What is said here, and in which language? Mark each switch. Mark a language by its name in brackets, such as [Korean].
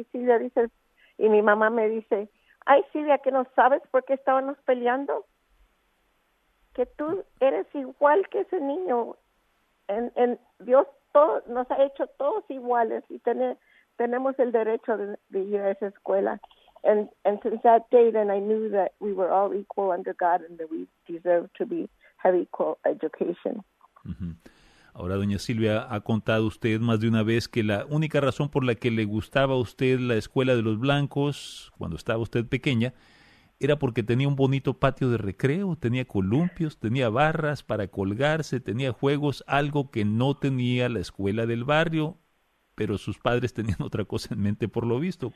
[Spanish] Y Silvia dice, y mi mamá me dice, ay, Silvia, ¿que no sabes por qué estábamos peleando? Que tú eres igual que ese niño. En Dios todo, nos ha hecho todos iguales y tenemos el derecho de ir a esa escuela. [English] And since that day, then I knew that we were all equal under God and that we deserve to be have equal education. [Spanish] Ahora, doña Silvia, ha contado usted más de una vez que la única razón por la que le gustaba a usted la escuela de los blancos cuando estaba usted pequeña era porque tenía un bonito patio de recreo, tenía columpios, tenía barras para colgarse, tenía juegos, algo que no tenía la escuela del barrio, pero sus padres tenían otra cosa en mente por lo visto.